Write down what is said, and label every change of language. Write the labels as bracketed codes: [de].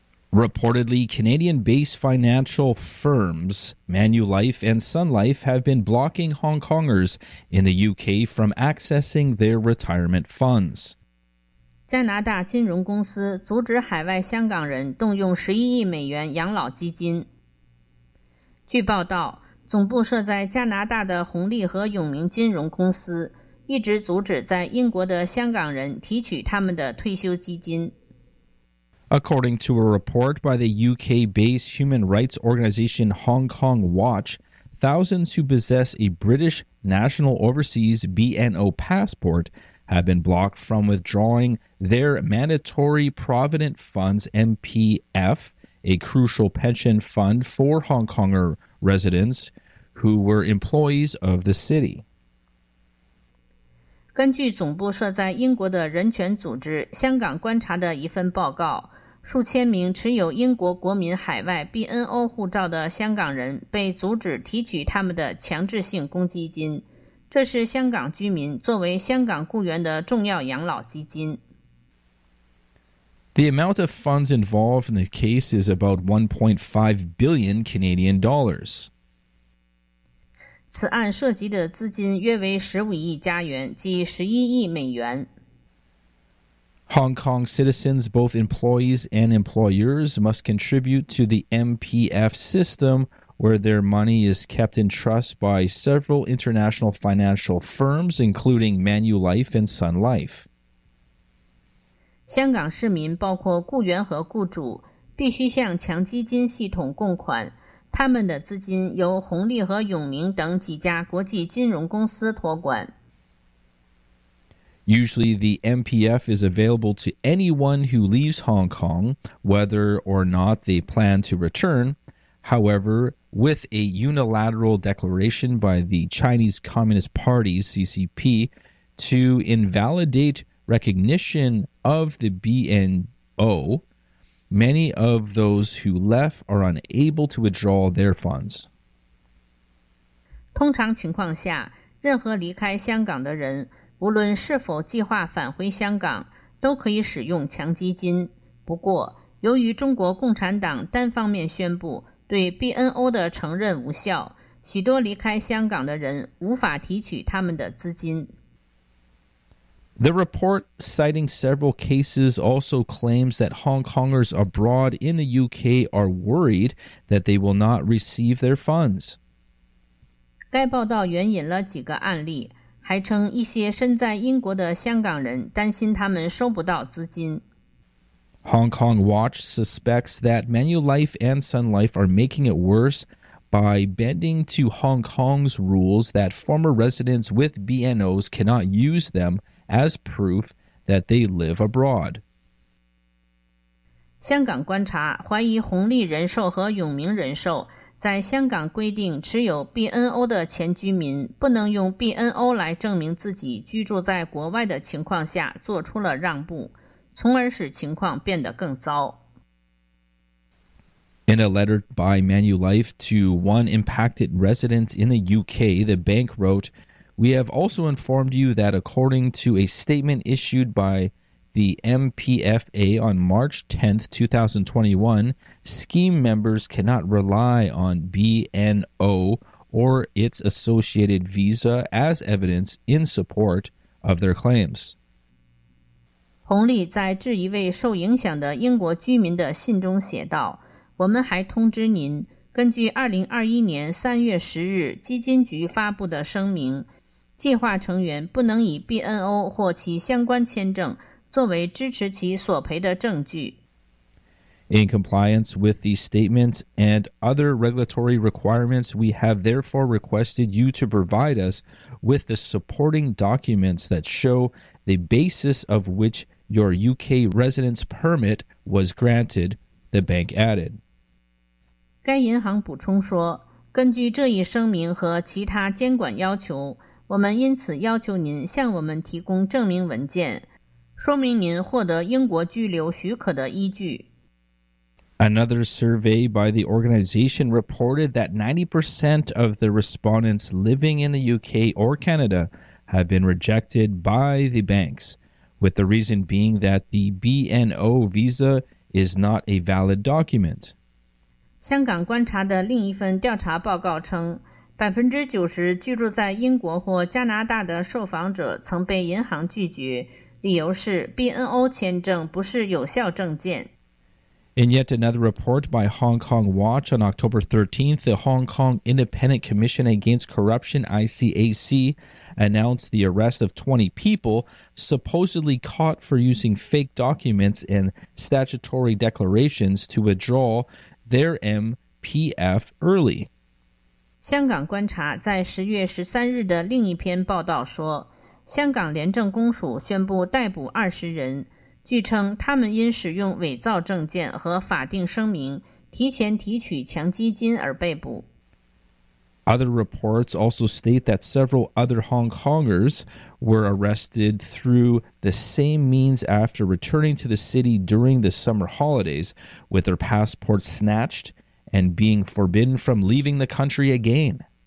[en] Reportedly, Canadian-based financial firms Manulife and Sun Life have been blocking Hong Kongers in the UK from accessing their retirement funds. [zh] 加拿大金融公司阻止海外香港人动用11亿美元养老基金。据报道，总部设在加拿大的红利和永明金融公司一直阻止在英国的香港人提取他们的退休基金。 [en] According to a report by the UK-based human rights organization Hong Kong Watch, thousands who possess a British National Overseas BNO passport have been blocked from withdrawing their Mandatory Provident Funds MPF, a crucial pension fund for Hong Konger residents who were employees of the city. [zh] 根据总部设在英国的人权组织香港观察的一份报告，数千名持有英国国民海外 BNO 护照的香港人被阻止提取他们的强制性公积金，这是香港居民作为香港雇员的重要养老基金。 [en] The amount of funds involved in the case is about 1.5 billion Canadian dollars. [zh] 此案涉及的资金约为15亿加元，即11亿美元。 [en] Hong Kong citizens, both employees and employers, must contribute to the MPF system where their money is kept in trust by several international financial firms, including Manulife and Sun Life. [zh] 香港市民包括雇员和雇主必须向强基金系统供款，他们的资金由红利和永明等几家国际金融公司托管。 [en] Usually, the MPF is available to anyone who leaves Hong Kong, whether or not they plan to return. However, with a unilateral declaration by the Chinese Communist Party's CCP to invalidate recognition of the BNO, many of those who left are unable to withdraw their funds. [zh] 通常情况下，任何离开香港的人无论是否计划返回香港，都可以使用强基金。不过，由于中国共产党单方面宣布对 BNO 的承认无效，许多离开香港的人无法提取他们的资金。 [en] The report, citing several cases, also claims that Hong Kongers abroad in the UK are worried that they will not receive their funds. [zh] 该报道援引了几个案例，还称一些身在英国的香港人担心他们收不到资金。 [en] Hong Kong Watch suspects that Manulife and Sun Life are making it worse by bending to Hong Kong's rules that former residents with BNOs cannot use them as proof that they live abroad. [zh] 香港观察怀疑红利人寿和永明人寿在香港规定持有 BNO 的前居民不能用 BNO 来证明自己居住在国外的情况下做出了让步，从而使情况变得更糟。 [en] In a letter by Manulife to one impacted resident in the UK, the bank wrote, "We have also informed you that according to a statement issued by the MPFA on March 10, 2021, scheme members cannot rely on BNO or its associated visa as evidence in support of their claims." [zh] 红利在致一位受影响的英国居民的信中写道，我们还通知您，根据2021年3月10日基金局发布的声明，计划成员不能以 BNO 或其相关签证作为支持其索赔的证据。 [en] In compliance with the statement and other regulatory requirements, we have therefore requested you to provide us with the supporting documents that show the basis of which your UK residence permit was granted, the bank added. [zh] 该银行补充说，根据这一声明和其他监管要求，我们因此要求您向我们提供证明文件，说明您获得英国居留许可的依据。 [en] Another survey by the organization reported that 90% of the respondents living in the UK or Canada have been rejected by the banks, with the reason being that the BNO visa is not a valid document. [zh] 香港观察的另一份调查报告称，90%居住在英国或加拿大的受访者曾被银行拒绝，理由是 BNO 签证不是有效证件。 [en] In yet another report by Hong Kong Watch on October 13th, the Hong Kong Independent Commission Against Corruption, ICAC, announced the arrest of 20 people supposedly caught for using fake documents and statutory declarations to withdraw their MPF early. [zh] 香港观察在10月13日的另一篇报道说，香港廉政公署宣布逮捕20人。据称他们因使用伪造证件和法定声明提前提取强基金而被捕。 [en] Other reports also state that several other Hong Kongers were arrested through the same means after returning to the city during the summer holidays, with their passports snatched and being forbidden from leaving the country again.